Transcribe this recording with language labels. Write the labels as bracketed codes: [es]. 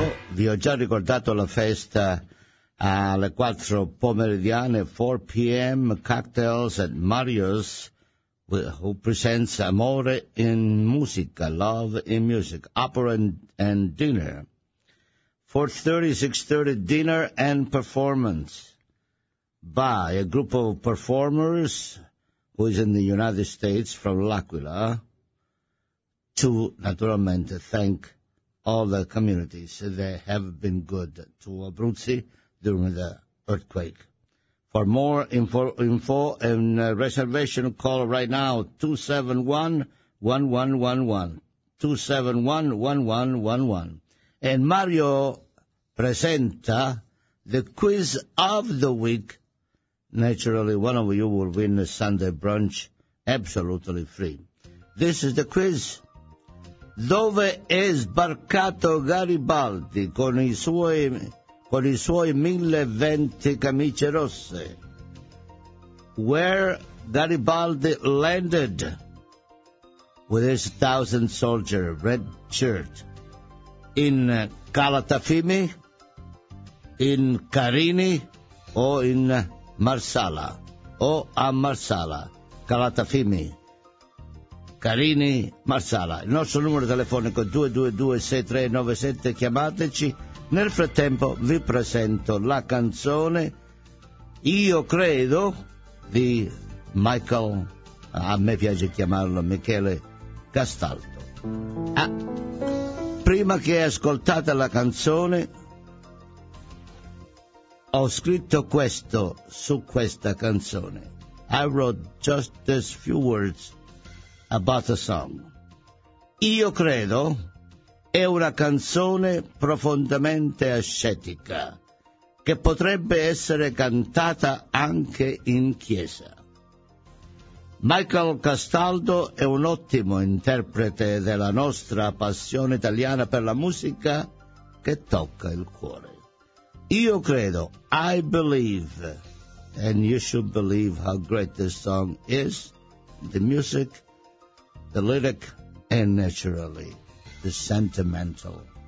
[it] Vi ho già ricordato la festa alle 4 pomeridiane, 4 p.m. [en] Cocktails at Mario's, who presents Amore in Musica, Love in Music, Opera and Dinner. 4:30, 6:30, Dinner and Performance by a group of performers who is in the United States from L'Aquila to, naturalmente, thank all the communities that have been good to Abruzzi during the earthquake. For more info and reservation, call right now 271-1111, 271-1111. And Mario presenta the quiz of the week. Naturally, one of you will win a Sunday brunch absolutely free. This is the quiz. [it] Dove è sbarcato Garibaldi con i suoi 1020 camicie rosse? [en] Where Garibaldi landed with his 1,000 soldier red shirt? [it] In Calatafimi, in Carini, o in Marsala, o a Marsala? Calatafimi, Carini, Marsala. Il nostro numero telefonico è 222-6397, chiamateci. Nel frattempo vi presento la canzone Io Credo di Michael, a me piace chiamarlo Michele Castaldo. Prima che ascoltate la canzone, ho scritto questo su questa canzone. [en] I wrote just these few words about the song. [it] Io credo è una canzone profondamente ascetica, che potrebbe essere cantata anche in chiesa. Michael Castaldo è un ottimo interprete della nostra passione italiana per la musica che tocca il cuore. [en] Io credo, I believe, and you should believe how great this song is, the music, the lyric, and naturally, the sentimental.